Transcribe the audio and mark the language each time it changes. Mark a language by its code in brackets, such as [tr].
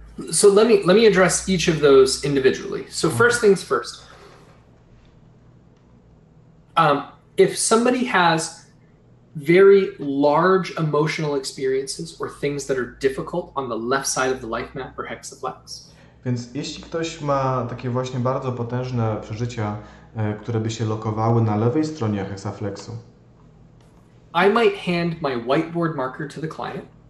[en] So let me address each of those individually. So first things first. If somebody has very large emotional experiences or things that are difficult on the left side of the life map or hexaflex. [pl] Więc jeśli ktoś ma takie właśnie bardzo potężne przeżycia, które by się lokowały na lewej stronie hexaflexu. [en] I might hand my whiteboard marker to the client.